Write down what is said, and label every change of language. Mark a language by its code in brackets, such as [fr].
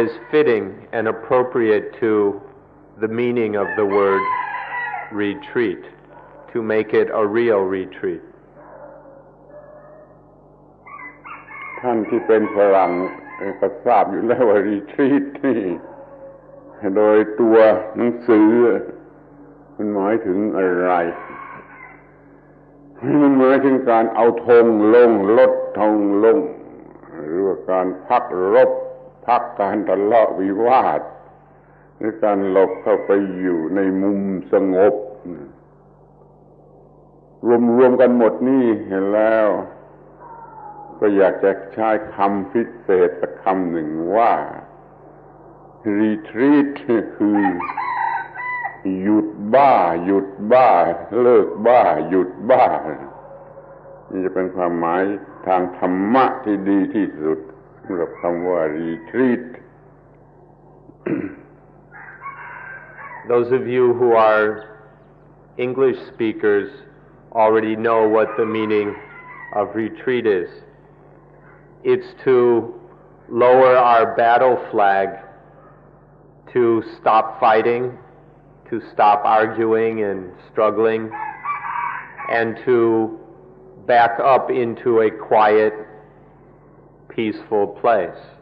[en] fitting and appropriate to the meaning of the word retreat, to make it a real retreat. [th] ท่านที่เป็นฝรั่งก็ทราบอยู่แล้วว่า retreat นี่โดยตัวหนังสือมันหมายถึงอะไรมันหมายถึงการเอาธงลงลดธงลงหรือว่าการพักรบพักการทะเลาะวิวาทหรือการหลบเข้าไปอยู่ในมุมสงบ รวมๆกันหมดนี่เห็นแล้วก็อยากจะใช้คำพิเศษคำหนึ่งว่าretreat คือหยุดบ้าหยุดบ้าเลิกบ้าหยุดบ้านี่จะเป็นความหมายทางธรรมะที่ดีที่สุดสำหรับคำว่า retreat [en] Those of you who are English speakers already know what the meaning of retreat is. It's to lower our battle flagTo stop fighting, to stop arguing and struggling, and to back up into a quiet, peaceful place.